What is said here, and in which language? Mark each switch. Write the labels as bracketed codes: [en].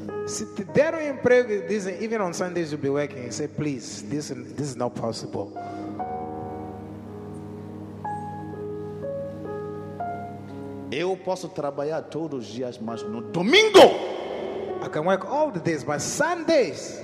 [pt] Se te deram emprego, dizem, [en] even on Sundays you'll be working, say, please, this is not possible. [pt] Eu posso trabalhar todos os dias, mas no domingo. [en] I can work all the days, but Sundays.